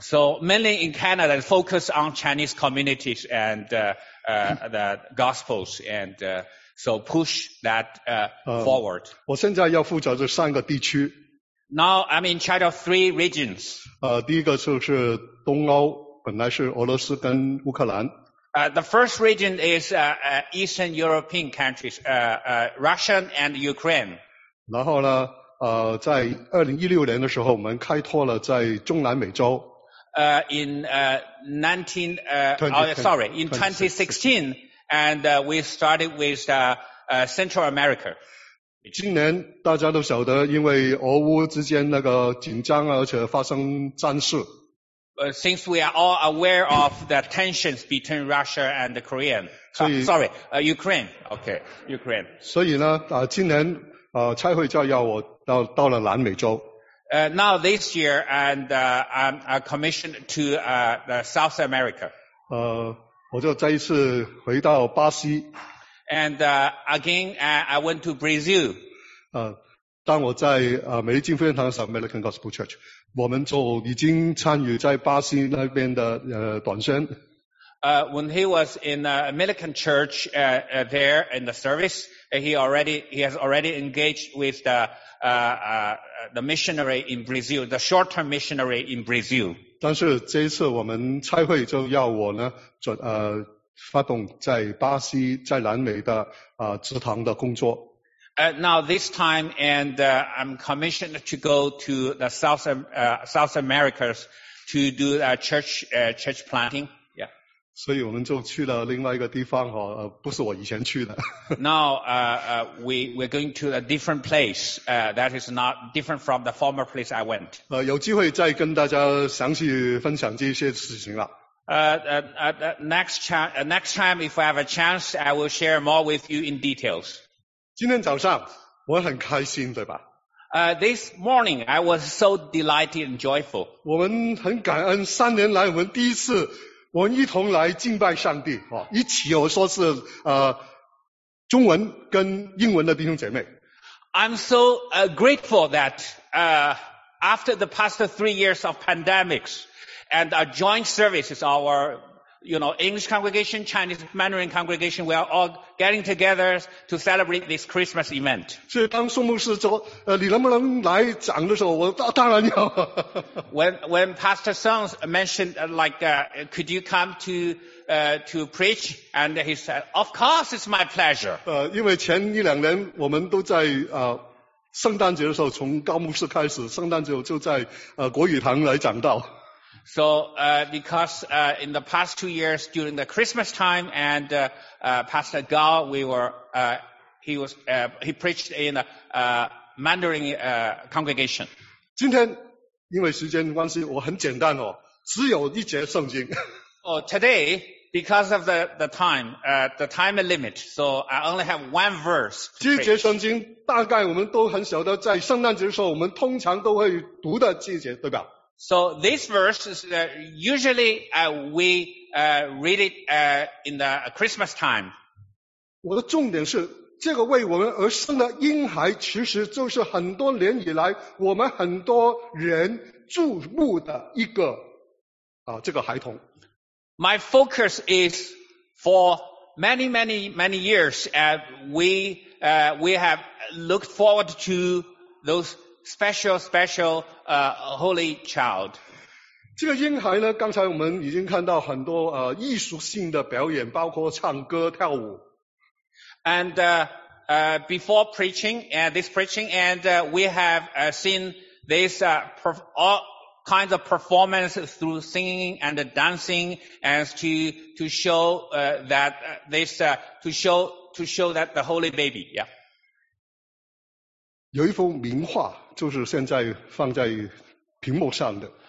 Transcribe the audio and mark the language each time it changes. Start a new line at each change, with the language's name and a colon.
English: ？So mainly in Canada, focus on Chinese communities and the gospels and so push that forward.
Chinese: 我现在要负责这三个地区。
English: Now I'm in charge of three regions.
Chinese: 第一个就是东欧。本来是俄罗斯跟乌克兰。
English: The first region is Eastern European countries, Russia and Ukraine.
Chinese: 然后呢，在2016年的时候，我们开拓了在中南美洲。
English: In 2016, and we started with Central America.
Chinese: 今年大家都晓得，因为俄乌之间那个紧张，而且发生战事。
English: Since we are all aware of the tensions between Russia and the Korean, Ukraine. Okay, Ukraine.
Chinese: 所以呢，今年差会就要我到了南美洲。
English: Now this year, and I'm commissioned to the South America.
Chinese: 我就再一次回到巴西。
English: And again, I went to Brazil.
Chinese: 当我在美丽金福音堂的时候 ，American Gospel Church。我们就已经参与在巴西那边的短宣。
English: When he was in American church there in the service, he has already engaged with the missionary in Brazil, the short-term missionary in Brazil.
Chinese: 但是这一次我们差会就要我呢，发动在巴西在南美的职堂的工作。
English: Now this time, and I'm commissioned to go to the South Americas to do church planting. Yeah.
Chinese: 所以我们就去了另外一个地方哈，不是我以前去的。
English: Now we're going to a different place. That is not different from the former place I went.
Chinese: 有机会再跟大家详细分享这些事情了。
English: Next time, if I have a chance, I will share more with you in details.
Chinese: 今天早上我很开心，对吧？
English: This morning I was so delighted and joyful.
Chinese: 我们很感恩，三年来我们第一次，我们一同来敬拜上帝，哦，一起我说是中文跟英文的弟兄姐妹。
English: I'm so grateful that after the past 3 years of pandemics and our joint services, our English congregation, Chinese Mandarin congregation, we are all getting together to celebrate this Christmas event.
Chinese: 所以当宋牧师说，你能不能来讲的时候，我当然要。
English: When Pastor Song mentioned, could you come to preach? And he said, of course, it's my pleasure.
Chinese: 因为前一两年我们都在圣诞节的时候，从高牧师开始，圣诞节就在国语堂来讲道。
English: So, in the past 2 years during the Christmas time and, Pastor Gao, he preached in a, Mandarin, congregation.
Chinese: 今天因为时间关系我很简单哦，只有一节圣经。
English: Oh, today, because of the time, the time limit, so I only have one verse.
Chinese: 这节圣经大概我们都很晓得在圣诞节的时候我们通常都会读的这节，对吧？
English: So this verse is usually we read it in the Christmas time.
Chinese: 我的重点是这个为我们而生的婴孩其实就是很多年以来我们很多人注目的一个这个孩童。
English: My focus is for many, many, many years we have looked forward to those special holy child.
Chinese: 这个婴孩呢，刚才我们已经看到很多艺术性的表演，包括唱歌跳舞。
English: And before preaching and this preaching and we have seen this all kinds of performance through singing and dancing as to show that this to show that the holy baby. Yeah.
Chinese: 有一幅名画就是现在放在屏幕上的。